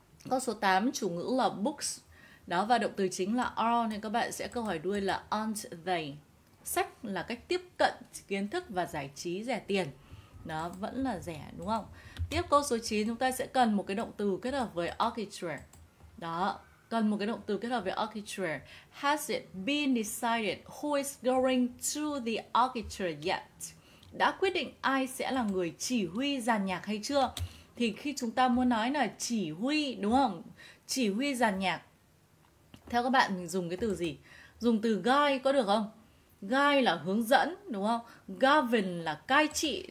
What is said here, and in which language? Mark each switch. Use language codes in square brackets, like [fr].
[vi] Câu số 8 chủ ngữ là books. Đó và động từ chính là are nên các bạn sẽ câu hỏi đuôi là [en] aren't they. [vi] Sách là cách tiếp cận kiến thức và giải trí rẻ tiền. Nó vẫn là rẻ đúng không? Tiếp câu số 9 chúng ta sẽ cần một cái động từ kết hợp với orchestra. Đó, cần một cái động từ kết hợp với orchestra. [en] Has it been decided who is going to the orchestra yet? [vi] Đã quyết định ai sẽ là người chỉ huy dàn nhạc hay chưa? Thì khi chúng ta muốn nói là chỉ huy đúng không? Chỉ huy dàn nhạc. Theo các bạn mình dùng cái từ gì? Dùng từ guide có được không? Guide là hướng dẫn đúng không? Govern là cai trị.